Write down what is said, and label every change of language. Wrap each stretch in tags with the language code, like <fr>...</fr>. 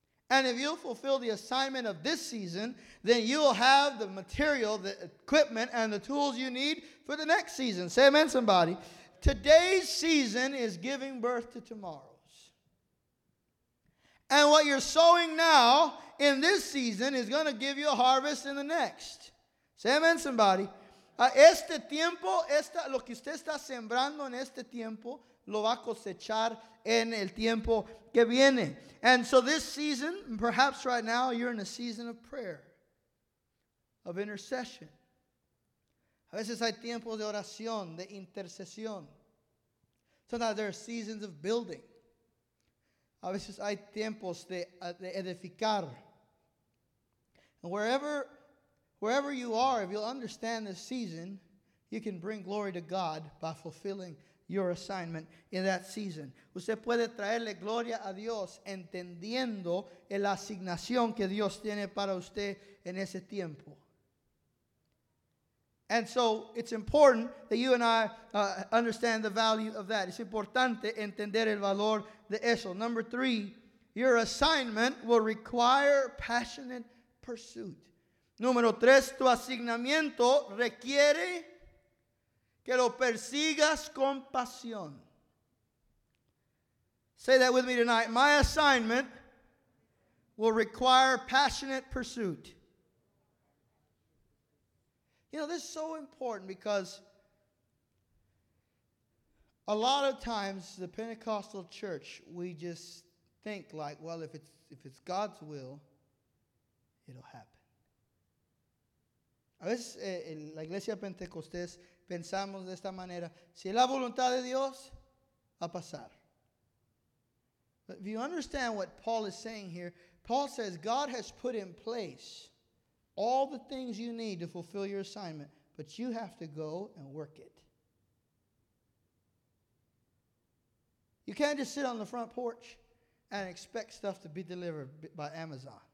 <en>And if you'll fulfill the assignment of this season, then you'll have the material, the equipment, and the tools you need for the next season. Say amen, somebody. Today's season is giving birth to tomorrow's. And what you're sowing now in this season is going to give you a harvest in the next. Say amen, somebody.</en> <es>Este tiempo, lo que usted está sembrando en este tiempo, lo va a cosechar en el tiempo que viene.</es> <en>And so this season, perhaps right now, you're in a season of prayer, of intercession.</en> <es>A veces hay tiempos de oración, de intercesión.</es> <en>Sometimes there are seasons of building.</en> <es>A veces hay tiempos de edificar.</es> <en>And wherever you are, if you'll understand this season, you can bring glory to God by fulfilling your assignment in that season.</en> <es>Usted puede traerle gloria a Dios entendiendo la asignación que Dios tiene para usted en ese tiempo.</es> <en>And so it's important that you and I understand the value of that.</en> <es>Es importante entender el valor de eso.</es> <en>Number three, your assignment will require passionate pursuit.</en> <es>Número tres, tu asignamiento requiere que lo persigas con pasión.</es> <en>Say that with me tonight. My assignment will require passionate pursuit. You know, this is so important, because a lot of times the Pentecostal church, we just think like, well, if it's God's will, it'll happen.</en> <es>A veces en la iglesia Pentecostés pensamos de esta manera: si es la voluntad de Dios, va a pasar.</es> <en>But if you understand what Paul is saying here, Paul says God has put in place all the things you need to fulfill your assignment, but you have to go and work it. You can't just sit on the front porch and expect stuff to be delivered by Amazon.</en>